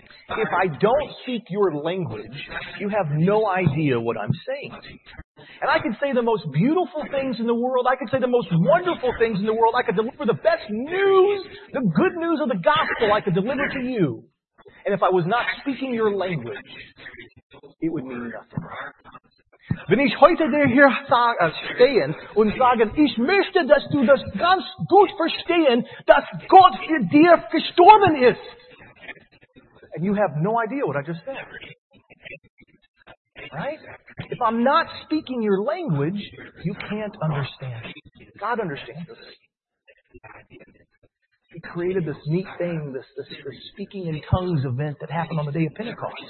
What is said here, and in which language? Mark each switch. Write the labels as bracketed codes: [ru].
[en] If I don't speak your language, you have no idea what I'm saying to you. And I could say the most beautiful things in the world. I could say the most wonderful things in the world. I could deliver the best news, the good news of the gospel I could deliver to you. And if I was not speaking your language, it would mean nothing. [de] Wenn ich heute hier stehen und sagen, ich möchte, dass du das ganz gut verstehen, dass Gott für dir gestorben ist. [en] And you have no idea what I just said. Right? If I'm not speaking your language, you can't understand. God understands this. He created this neat thing, this speaking in tongues event that happened on the day of Pentecost.